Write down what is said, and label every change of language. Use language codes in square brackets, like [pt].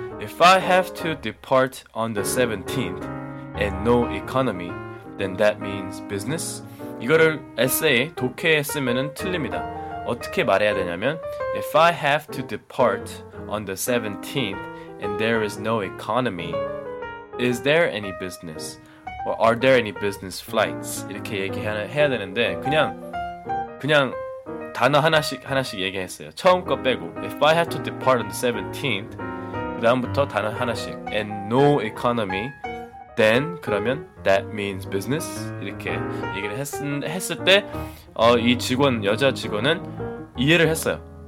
[en] If I have to depart on the 17th and no economy, then that means business? [ko] 이거를 에세이, 독해에 쓰면은 틀립니다. 어떻게 말해야 되냐면, [en] If I have to depart on the 17th and there is no economy, is there any business? Or are there any business flights? [ko] 이렇게 얘기해야 되는데, 그냥 단어 하나씩 얘기했어요. 처음 거 빼고, [en] If I have to depart on the 17th, [ko] 그 다음부터 단어 하나씩 [en] and no economy then [ko] 그러면 [en] that means business [ko] 이렇게 얘기를 했을 때 이 직원 여자 직원은 이해를 했어요.